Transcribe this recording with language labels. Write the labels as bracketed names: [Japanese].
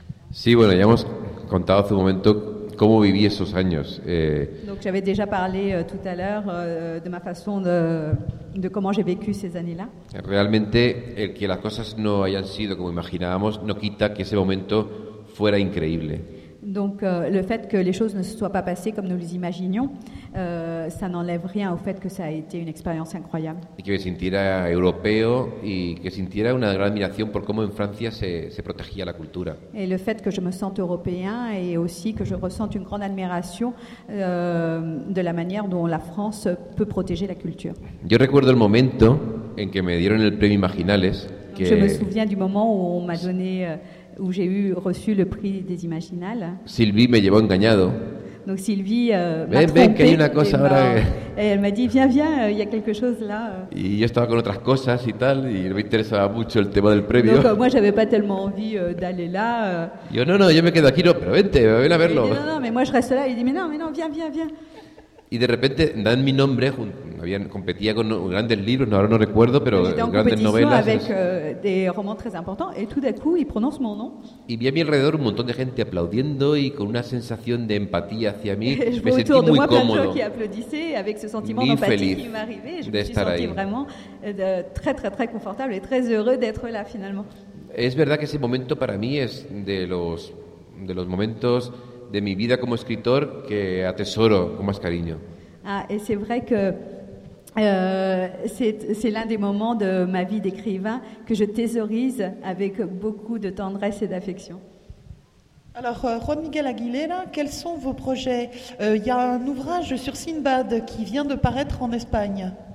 [Spanish] Sí, bueno, ya hemos contado hace un momento cómo viví esos años. [French] Donc j'avais déjà parlé tout à l'heure de ma façon de comment j'ai vécu ces années-là. [Spanish] Realmente el que las cosas no hayan sido como imaginábamos no quita que ese momento fuera increíble. [French] Donc le fait que les choses ne se soient pas passées comme nous les imaginions, ça n'enlève rien au fait que ça a été une expérience incroyable. [Spanish] Y que me sintiera europeo y que sintiera una gran admiración por cómo en Francia se protegía la cultura. [French] Et le fait que je me sente européen et aussi que je ressente une grande admiration de la manière dont la France peut protéger la culture. [Spanish] Yo recuerdo el momento en que me dieron el premio Imaginales. [French] Que... Je me souviens du moment où on m'a donné. Où j'ai reçu le prix des Imaginales. [Spanish] Sylvie me llevó engañado. [French] Donc Sylvie m'a trompé. [Spanish] Hay una cosa ahora. [French] Et elle m'a dit viens, il y a quelque chose là. [Spanish] Y yo estaba con otras cosas y tal y no me interesaba mucho el tema del premio. [French] Donc moi j'avais pas tellement envie d'aller là. [Spanish] Yo no, yo me quedo aquí, no, pero vente, ven a verlo. [French] Dit, non, mais moi je reste là. Il dit mais non, viens. [Spanish] Y de repente dan mi nombre, competía con grandes libros, ahora no recuerdo, pero grandes novelas. [French] Avec, des romans très importants, et tout d'un coup, il prononce mon nom. [Spanish] Y vi a mi alrededor un montón de gente aplaudiendo y con una sensación de empatía hacia mí. [French] Je vois autour de moi plein de gens qui applaudissaient avec ce sentiment d'empathie qui m'arrivait. Je me suis senti vraiment très très très confortable et très heureux d'être là finalement. [Spanish] Es verdad que ese momento para mí es de los momentos de mi vida como escritor que atesoro con más cariño. [French] Ah, et c'est vrai que c'est l'un des moments de ma vie d'écrivain que je thésaurise avec beaucoup de tendresse et d'affection. Alors, Juan Miguel Aguilera, quels sont vos projets? Il y a un ouvrage sur Sinbad qui vient de paraître en Espagne.